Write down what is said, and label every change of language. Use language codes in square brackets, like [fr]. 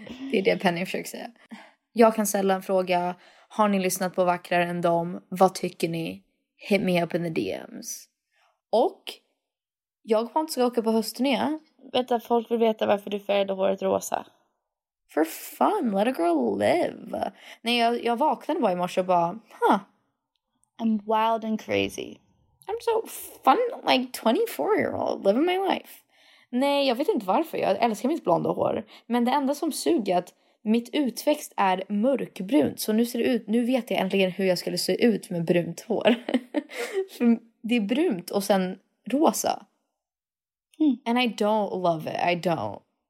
[sv] Det är det Penny försöker säga. Jag kan ställa en fråga. Har ni lyssnat på Vackrare än dem? Vad tycker ni? [en] Hit me up in the DMs. [sv] Och jag kommer inte ska åka på hösten igen. Vänta, folk vill veta varför du färgade håret rosa. [en] For fun, let a girl live. [sv] Nej, jag vaknade bara i morse och bara, [en] I'm wild and crazy. I'm so fun, like 24-year-old, living my life. [sv] Nej, jag vet inte varför, jag älskar mitt blonda hår. Men det enda som suger att mitt utväxt är mörkbrunt. Så nu vet jag äntligen hur jag skulle se ut med brunt hår. För det är brunt och sen rosa. Mm. [en] And I don't love it, I don't.